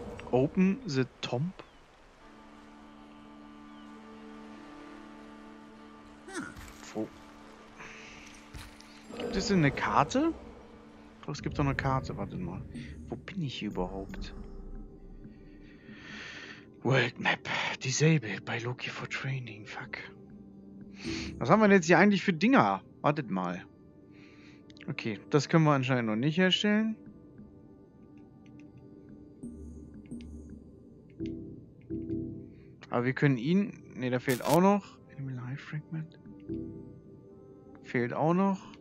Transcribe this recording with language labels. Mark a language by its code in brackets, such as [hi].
[en] Open the tomb. [de] Wo? Gibt es denn eine Karte? Oh, es gibt doch eine Karte, warte mal. Wo bin ich hier überhaupt? [en] World Map. Disabled by Loki for training. Fuck. [de] Was haben wir denn jetzt hier eigentlich für Dinger? Wartet mal. Okay, das können wir anscheinend noch nicht herstellen. Aber wir können ihn... Ne, da fehlt auch noch. Animal Life Fragment. Fehlt auch noch.